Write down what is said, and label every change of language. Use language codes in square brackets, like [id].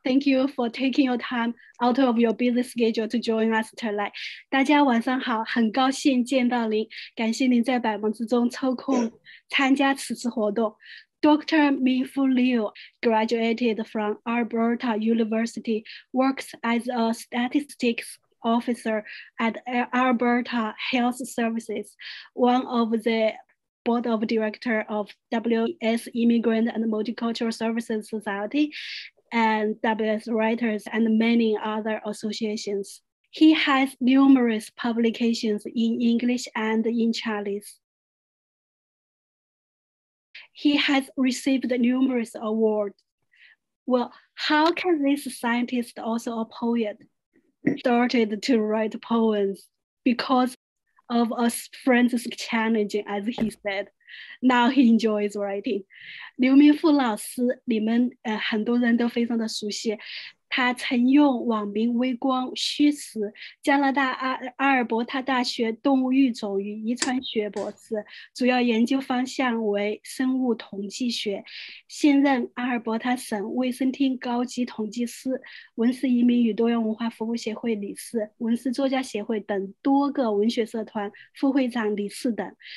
[en] Thank you for taking your time out of your busy schedule to join us tonight. [zh] 大家晚上好，很高兴见到您，感谢您在百忙之中抽空参加此次活动。 [en] Dr. Minfu Liu graduated from Alberta University, works as a statistics officer at Alberta Health Services, one of the Board of Director of WS Immigrant and Multicultural Services Society and WS Writers and many other associations. He has numerous publications in English and in Chinese. He has received numerous awards. Well, how can this scientist, also a poet, started to write poems? Because of a friend's challenging, as he said. Now he enjoys writing. [zh] 刘明富老师，你们很多人都非常的熟悉。他曾用网名微光虚实，加拿大阿尔伯塔大学动物育种与遗传学博士，主要研究方向为生物统计学，现任阿尔伯塔省卫生厅高级统计师，文氏移民与多元文化服务协会理事，文氏作家协会等多个文学社团副会长、理事等。